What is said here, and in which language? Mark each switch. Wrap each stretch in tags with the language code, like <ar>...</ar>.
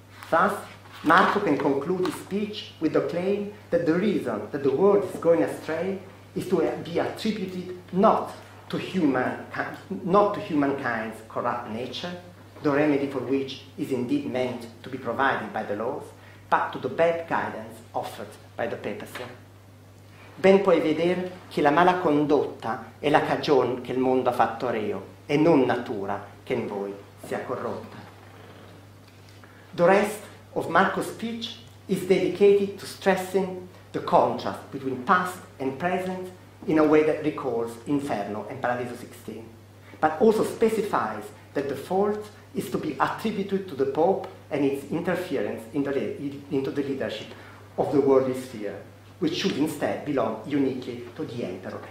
<en>Thus, Marco can conclude his speech with the claim that the reason that the world is going astray is to be attributed not to humankind's corrupt nature, the remedy for which is indeed meant to be provided by the laws, but to the bad guidance offered by the papacy.</en> <it>ben puoi vedere che la mala condotta è la cagion che il mondo ha fatto reo, e non natura che in voi sia corrotta.</it> <en>The rest of Marco's speech is dedicated to stressing the contrast between past and present in a way that recalls Inferno and Paradiso 16, but also specifies that the fault is to be attributed to the Pope and its interference in the into the leadership of the worldly sphere, which should instead belong uniquely to the Emperor.</en>